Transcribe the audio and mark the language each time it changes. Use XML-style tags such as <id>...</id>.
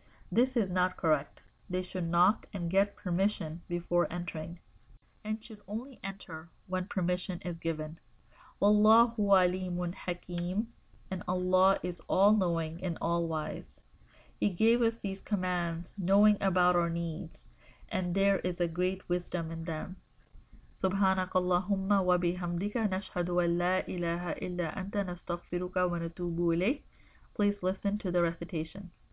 <en>This is not correct. They should knock and get permission before entering, and should only enter when permission is given.</en> <ar>Wallahu alimun hakim,</ar> <en>and Allah is all-knowing and all-wise. He gave us these commands, knowing about our needs, and there is a great wisdom in them.</en> <ar>سبحانك اللهم وبحمدك نشهد أن لا إله إلا أنت نستغفرك ونتوب إليك.</ar> <en>Please listen to the recitation.</en>